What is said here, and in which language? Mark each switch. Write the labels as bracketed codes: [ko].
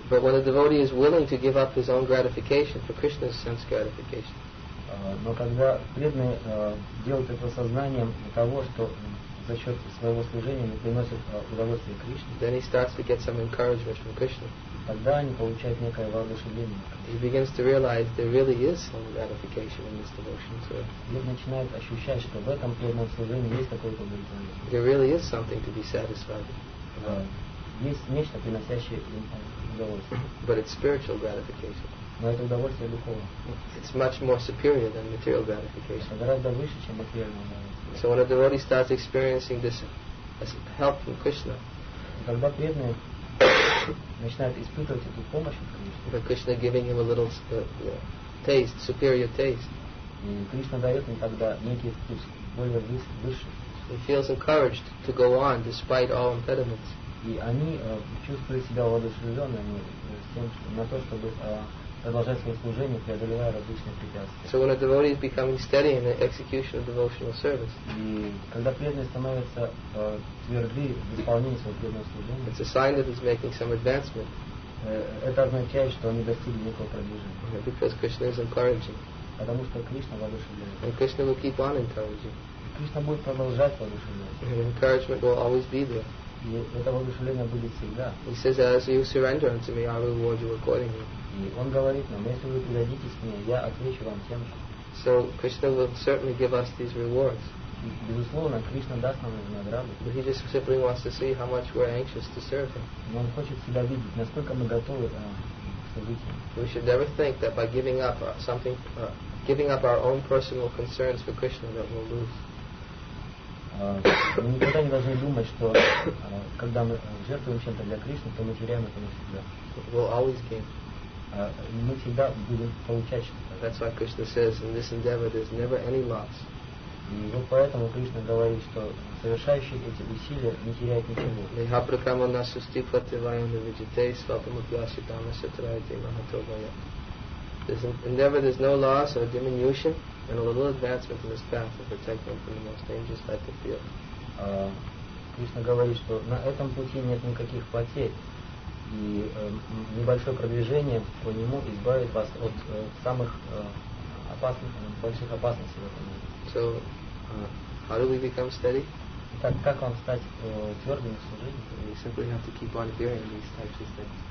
[en] But when a devotee is willing to give up his own gratification for Krishna's sense gratification. [ru] Но когда преданный делает это сознанием того, что за счет своего служения он приносит удовольствие Кришне. [en] Then he starts to get some encouragement from Krishna. [ru] Тогда они получают некое воодушевление. [en] He begins to realize there really is some gratification in this devotion service. [ru] Он начинает ощущать, что в этом преданном служении есть какое-то удовлетворение. [en] There really is something to be satisfied. [ru] Есть нечто, приносящее им удовольствие. [en] But it's spiritual gratification. [ru] Но это удовольствие духовное. [en] It's much more superior than material gratification. [ru] Это гораздо выше, чем материальное удовольствие. [en] So when a devotee starts experiencing this as help from Krishna, [ru] когда преданный начинает испытывать эту помощь от Кришны, [en] but Krishna giving him a little taste, superior taste, [ru] и Кришна дает ему тогда некий вкус более выше, [en] he feels encouraged to go on despite all impediments. [ru] И они чувствуют себя воодушевленными на то, чтобы продолжать свое служение, преодолевая различные препятствия. [en] So when a devotee is becoming steady in the execution of devotional service, [ru] и когда преданный становится тверды в исполнении своего преданного служения, [en] it's a sign that he's making some advancement. [ru] Это означает, что они достигли некого продвижения. [en] Yeah, because Krishna is encouraging. [ru] Потому что Кришна воодушевляет. [en] And Krishna will keep on encouraging. [ru] И Кришна будет продолжать воодушевлять. [en] And encouragement will always be there. [ru] И это воодушевление будет всегда. [en] He says, as you surrender unto me, I will reward you accordingly. [ru] И он говорит нам, если вы предадитесь мне, я отвечу вам тем же. [en] So Krishna will certainly give us these rewards. [ru] Безусловно, Кришна даст нам эти награды. [en] But he just simply wants to see how much we're anxious to serve him. [ru] Но он хочет себя видеть, насколько мы готовы служить ему. [en] We should never think that by giving up something, giving up our own personal concerns for Krishna, that we'll lose. [ru] Мы никогда не должны думать, что когда мы жертвуем чем-то для Кришны, то мы теряем это навсегда. [en] We'll always gain. [ru] Мы всегда будем получать что-то. [en] That's why Krishna says in this endeavor there's never any loss. [ru] И вот поэтому Кришна говорит, что совершающий эти усилия не теряет ничего. [sa] Лиха пракама насу стипхати вайна виджитей свапама пьяси дама сатрайте махатобая. [en] This endeavor there's no loss or diminution and a little advancement in this path will protect them from the most dangerous life of fear. [ru] Кришна говорит, что на этом пути нет никаких потерь. и небольшое продвижение по нему избавит вас от самых опасных, больших опасностей в этом мире. [en] So, how do we become steady? [ru] Так как вам стать твердым в служении? [en] You simply have to keep on hearing these types of things.